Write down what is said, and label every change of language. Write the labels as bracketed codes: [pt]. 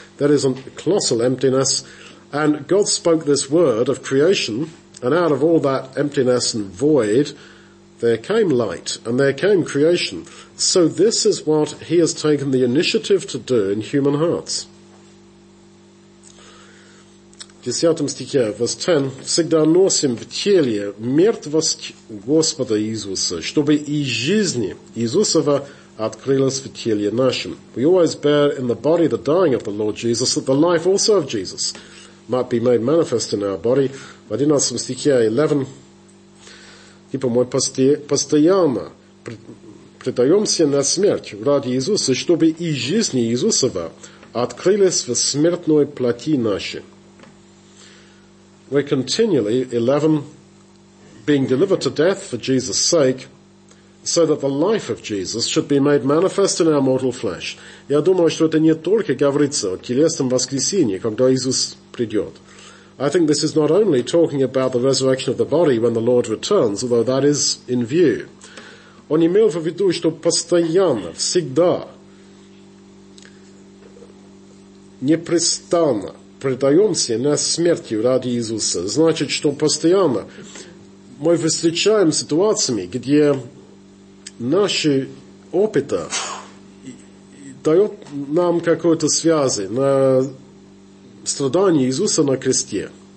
[en] There is a colossal emptiness. And God spoke this word of creation, and out of all that emptiness and void, there came light, and there came creation. So this is what he has taken the initiative to do in human hearts. [ru] В 10 стихе, вас 10, всегда носим в теле мертвость Господа Иисуса, чтобы и жизни Иисусова открылась в теле нашем. [en] We always bear in the body the dying of the Lord Jesus, that the life also of Jesus might be made manifest in our body. [ru] В 11 стихе, 11, типа мы постоянно предаемся на смерть ради Иисуса, чтобы и жизни Иисусова открылись в смертной плоти нашей. [en] We're continually, 11, being delivered to death for Jesus' sake, so that the life of Jesus should be made manifest in our mortal flesh. [ru] Я думаю, что это не только говорится о телесном воскресении, когда Иисус придет. [en] I think this is not only talking about the resurrection of the body when the Lord returns, although that is in view. [ru] Он имел в виду, что постоянно, всегда, непрестанно, предаемся на смерти ради Иисуса. Значит, что постоянно мы встречаем ситуациями, где наши опыты дают нам какую-то связь на страдание Иисуса на кресте.